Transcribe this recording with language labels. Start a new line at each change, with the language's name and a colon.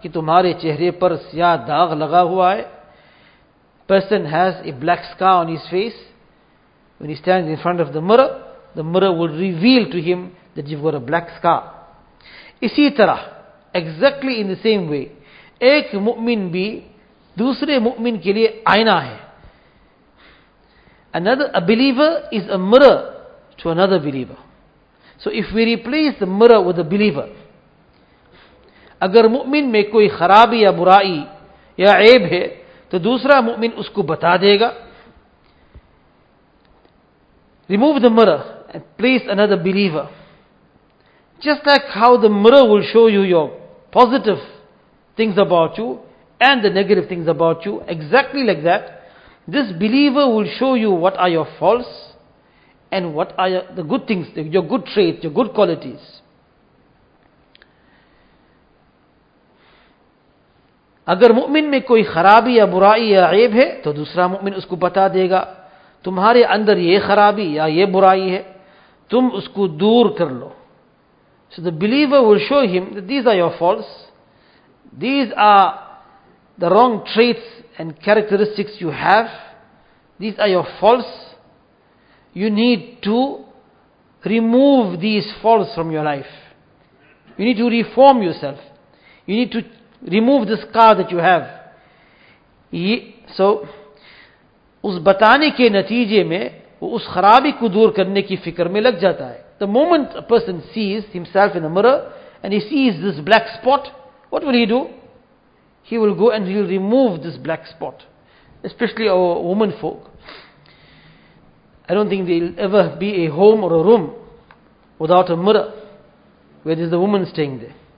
Urdu: کہ تمہارے چہرے پر سیاہ داغ لگا ہوا ہے.
English: Person has a black scar on his face. When he stands in front of the mirror will reveal to him that you've got a black scar.
Urdu: اسی طرح,
English: exactly in the same way,
Urdu: ایک مؤمن بھی دوسرے مؤمن کے لیے آئینہ ہے.
English: Another, a believer is a mirror to another believer. So if we replace the mirror with a believer,
Urdu: اگر مؤمن میں کوئی خرابی یا برائی یا عیب ہے تو دوسرا مؤمن اس کو بتا دے گا.
English: Remove the mirror and place another believer. Just like how the mirror will show you your positive things about you and the negative things about you, exactly like that, this believer will show you what are your faults and what are the good things, your good traits, your good qualities.
Urdu: اگر مؤمن میں کوئی خرابی یا برائی یا عیب ہے تو دوسرا مؤمن اس کو بتا دے گا, تمہارے اندر یہ خرابی یا یہ برائی ہے, تم اس کو دور کر لو.
English: So the believer will show him that these are your faults, these are the wrong traits and characteristics you have, these are your faults, you need to remove these faults from your life, you need to reform yourself, you need to remove the scar that you have.
Urdu: So, اس بتانے کے نتیجے میں وہ اس خرابی کو دور کرنے کی فکر میں لگ جاتا ہے.
English: The moment a person sees himself in a mirror and he sees this black spot, what will he do? He will go and he'll remove this black spot. Especially our woman folk. I don't think there'll ever be a home or a room without a mirror where there's a woman staying there.